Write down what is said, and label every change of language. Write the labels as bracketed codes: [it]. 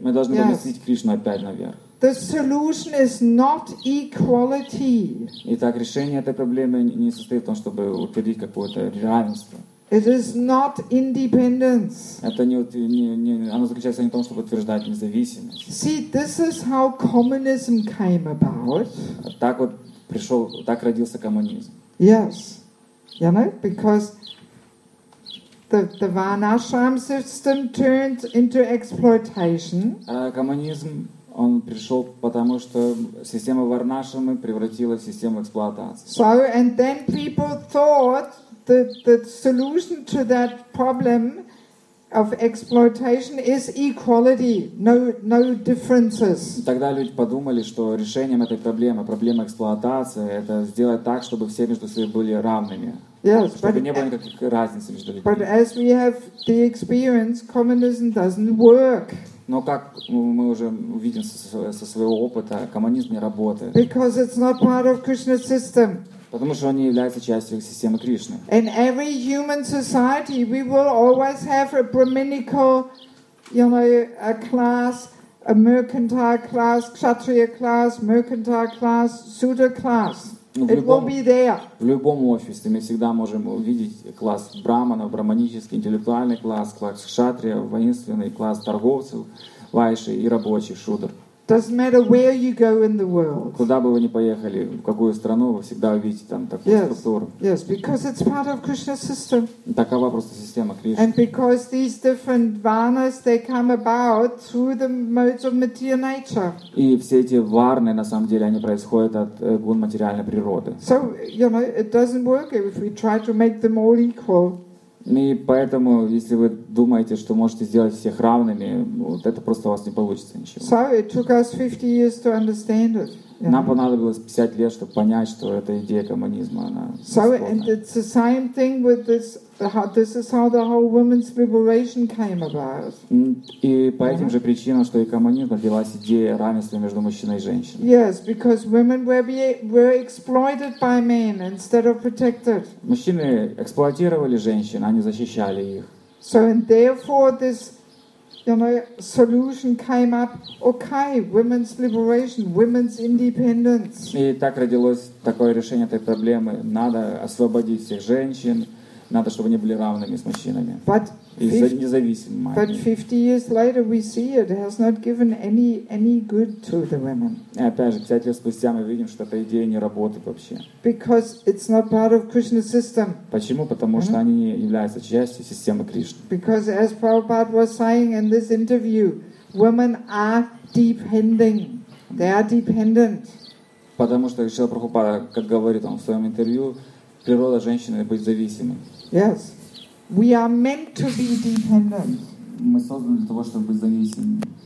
[ru] Мы должны поместить Кришну опять наверх. [en] The solution is not equality. [ru] Итак, решение этой проблемы не состоит в том, чтобы утвердить какое-то равенство. [en] It is not independence. [ru] Это не оно заключается не в том, чтобы утверждать независимость. [en] See, this is how communism came about. [ru] Так вот пришел, так родился коммунизм. [en] Yes, you know, because the Varnashram system turned into exploitation. [ru] Коммунизм он пришел, потому что система Варнашрамы превратилась в систему эксплуатации. [en] So and then people thought the solution to that problem of exploitation is equality, no differences. [ru] Тогда люди подумали, что решением этой проблемы эксплуатации, это сделать так, чтобы все между собой были равными. [en] Yes, [ru] чтобы не было никаких разницы между людьми. [en] But as we have the experience, communism doesn't work. [ru] Но как мы уже увидим со своего опыта, коммунизм не работает. [en] Because it's not part of Krishna's system. [ru] Потому что он не является частью системы Кришны. [en] In every human society, we will always have a brahminical, you know, a class, a mercantile class, kshatriya class, mercantile class, sudra class. It will be there. [ru] В любом обществе мы всегда можем увидеть класс брахманов, брахманический, интеллектуальный класс, класс кшатрия, воинственный класс торговцев, вайши и рабочих, шудр. [en] Doesn't matter where you go in the world. [ru] Куда бы вы ни поехали, в какую страну, вы всегда увидите там такую структуру. [en] Yes, because it's part of Krishna's system. [ru] Такова просто система Кришны. [en] And because these different varnas they come about through the modes of material nature. [ru] И все эти варны на самом деле они происходят от гун материальной природы. [en] So, you know, it doesn't work if we try to make them all equal. [ru] И поэтому, если вы думаете, что можете сделать всех равными, вот это просто у вас не получится ничего. [en] So it took us 50 years to understand it. [ru] Нам понадобилось 50 лет, чтобы понять, что эта идея коммунизма, она бесплодна. [en] So and it's the same thing with this. This is how the whole women's liberation came about. [ru] И по этим же причинам, что и коммунизм, родилась идея равенства между мужчиной и женщиной. [en] Yes, because women were exploited by men instead of protected. [ru] Мужчины эксплуатировали женщин, а не защищали их. [en] So and therefore this, you know, solution came up. Okay, women's liberation, women's independence. [ru] И так родилось такое решение этой проблемы. Надо освободить всех женщин. Надо, чтобы они были равными с мужчинами. [en] But [ru] независимым. [en] But 50 years later we see it has not given any good to the women. [ru] Опять же, 50 лет спустя мы видим, что эта идея не работает вообще. [en] Because it's not part of Krishna's system. [ru] Почему? Потому что они не являются частью системы Кришны. [en] Because as Prabhupada was saying in this interview, women are depending. They are dependent. [ru] Потому что Шрила Прабхупада, как говорит он в своем интервью, природа женщины быть зависимой. [en] Yes. We are meant to be dependent. [ru] Мы созданы для того, чтобы быть зависимыми.